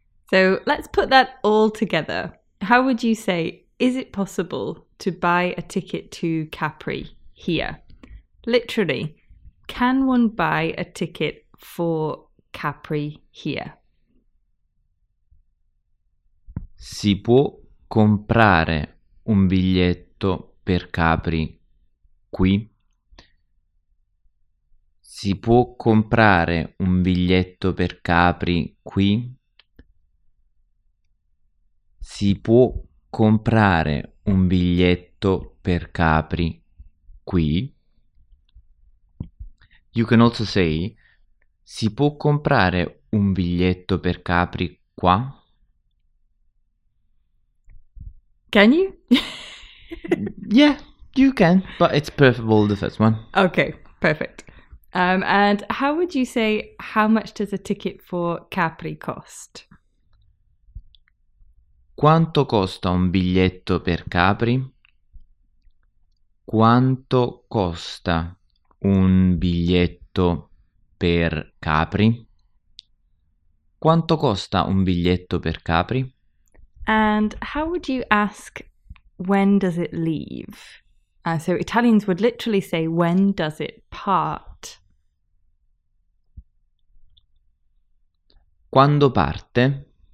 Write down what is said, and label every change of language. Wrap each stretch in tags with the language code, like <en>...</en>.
<en>So let's put that all together. How would you say, is it possible to buy a ticket to Capri here? Literally, can one buy a ticket for Capri here?</en> <it>Si può comprare un biglietto per Capri qui? Si può comprare un biglietto per Capri qui? Si può comprare un biglietto per Capri qui?</it> <en>You can also say,</en> <it>si può comprare un biglietto per Capri qua?</it> <en>Can you? Yeah, you can, but it's preferable the first one. Okay, perfect. And how would you say, how much does a ticket for Capri cost?</en> <it>Quanto costa un biglietto per Capri? Quanto costa un biglietto per Capri? Quanto costa un biglietto per Capri?</it> <en>And how would you ask, when does it leave? So Italians would literally say, when does it part?</en> <it>Quando parte?</it>